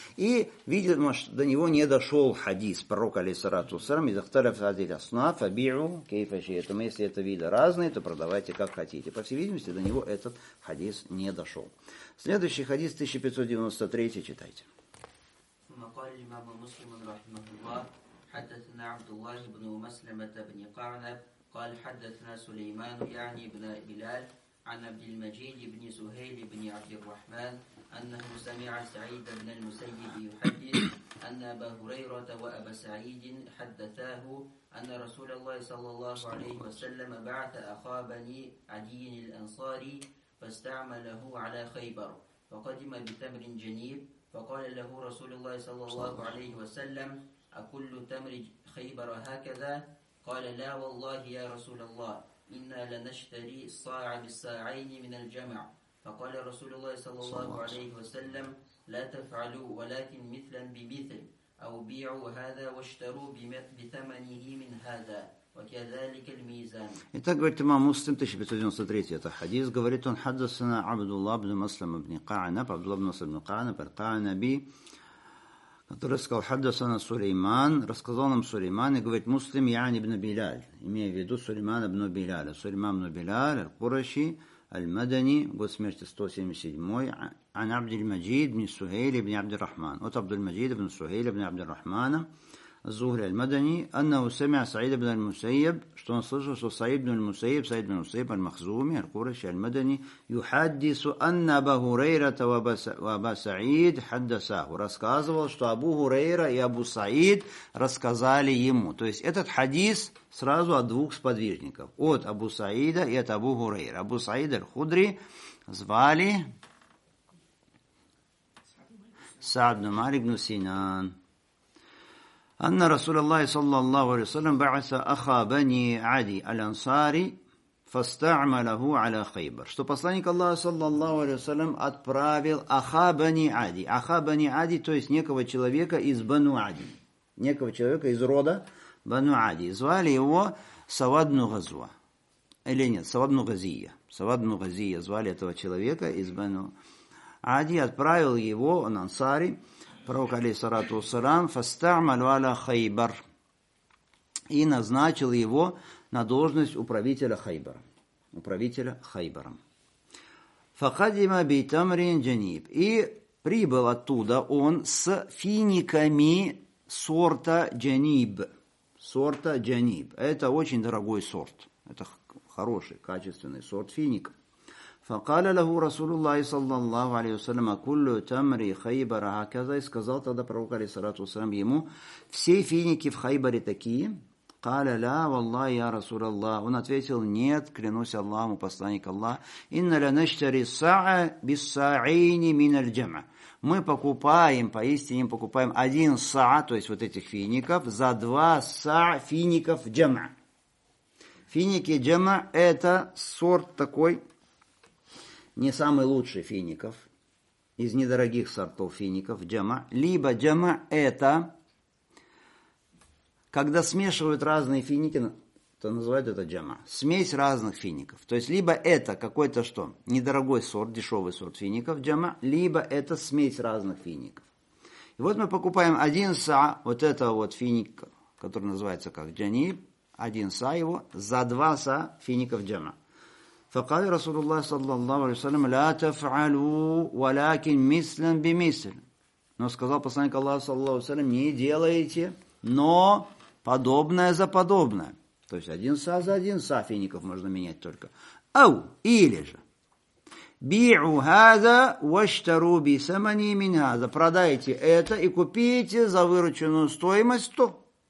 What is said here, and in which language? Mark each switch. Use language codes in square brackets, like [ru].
[ru] И, видимо, до него не дошел хадис пророка алейхиссалату вассалям. [ar] «Из ахталафа азиль аснаф, абиу кейфа шиэтум». [ru] Если это виды разные, то продавайте как хотите. По всей видимости, до него этот хадис не дошел. Следующий хадис 1593 читайте. [ar] Макали имама муслима рахмаху Аллах. حدثنا عبد الله بن مسلمة بن قعنب قال حدثنا سليمان يعني ابن بلال عن عبد المجيد بن سهيل بن عبد الرحمن أنه سمع سعيد بن المسيب يحدث أن أبا هريرة وأبا سعيد حدثاه أن رسول الله صلى الله عليه وسلم بعث أخا بني عدي الأنصاري فاستعمله على خيبر فقدم بتمر جنيب فقال له رسول الله صلى الله عليه وسلم أكل تمر خيبر هكذا؟ قال لا والله يا رسول الله إنا لنشتري صاع بالصاعين من الجمع. فقال رسول الله صلى الله عليه وسلم لا تفعلوا ولكن مثلا بمثل أو بيعوا هذا واشتروا بثمنه من هذا وكذلك الميزان. [ru] Итак, говорит имам Муслим, 1593 это хадис, говорит он, хаддасана Абдуллах ибн Муслим ибн Каънаб, Абдуллах ибн Муслим ибн Каънаб, Каънаби, который сказал, хаддасана Сулейман, рассказал нам Сулейман, и говорит, Муслим Яни ибн Биляль, имея в виду Сулейман ибн Биляль, Сулейман ибн Биляль, Аль-Кураши, Аль-Мадани, год смерти 177-й, ан Абдель-Маджид ибн Сухейль ибн Абдель-Рахман. Вот Абдель-Маджид ибн Сухейль ибн Абдель-Рахмана, Зухри Аль-Мадани, [ar] аннаху самиа [ru] Саид ибн Аль-Мусейб, что он слышал, что Саид ибн Аль-Мусейб, Саид ибн Аль-Мусейб, Аль-Махзуми, Аль-Кураши, Аль-Мадани, [ar] юхаддису анна Аба Хурейрата ва Аба Саид хаддасаху, [ru] рассказывал, что Абу Хурейра и Абу Саид рассказали ему. То есть этот хадис сразу от двух сподвижников, от Абу Саида и от Абу Хурейра. Абу Саид Аль-Худри звали Саад ибн Малик ибн Синан. [ar] أن رسول الله صلى الله عليه وسلم بعث أخا بني عدي الأنصاري فاستعمله على خيبر. [ru] Что посланник Аллаха [ar] صلى الله عليه وسلم [ru] отправил Аха бани Ади. Аха бани Ади, то есть некого человека из Бану Ади. Некого человека из рода Бану Ади. Звали его Савад ибн Газва. Или нет, Савад ибн Газия. Савад ибн Газия звали этого человека из Бану Ади. Отправил его, он Ансари, пророк алейхиссалату вассалам, [ar] фастамалу аля хайбар, [ru] и назначил его на должность управителя хайбара, управителя хайбаром. [ar] Факадима битамрин джаниб, [ru] и прибыл оттуда он с финиками сорта джаниб, сорта джаниб. Это очень дорогой сорт, это хороший, качественный сорт финик. [ar] فقال له رسول الله صلى الله عليه وسلم كل تمر خيبر هكذا. [ru] И сказал тогда пророк алейхиссалату вассалам ему, все финики в Хайбаре такие. [ar] قال لا والله يا رسول الله. [ru] Он ответил, нет, клянусь Аллахом, посланник Аллаха, [ar] إن لنشتري الصاع بالصاعين من الجمع. [ru] Мы покупаем, поистине покупаем один са, то есть вот этих фиников, за два са фиников джама. Финики джама — это сорт такой, не самый лучший фиников, из недорогих сортов фиников, джама. Либо джама — это когда смешивают разные финики, то называют это джама. Смесь разных фиников. То есть либо это какой-то что? Недорогой сорт, дешевый сорт фиников, джама. Либо это смесь разных фиников. И вот мы покупаем один са, вот этого вот финика, который называется как джаниб, один са его, за два са фиников джама. [ar] فقال رسول الله صلى الله عليه وسلم لا تفعلوا ولكن مثلا بمثل. [ru] Но сказал посланник Аллаха [ar] صلى الله عليه وسلم, [ru] не делайте, но подобное за подобное. То есть один са за один са фиников можно менять только. Ау, или же. [ar] Биу хаза ваштару би самани мин хаза. [ru] Продайте это и купите за вырученную стоимость то.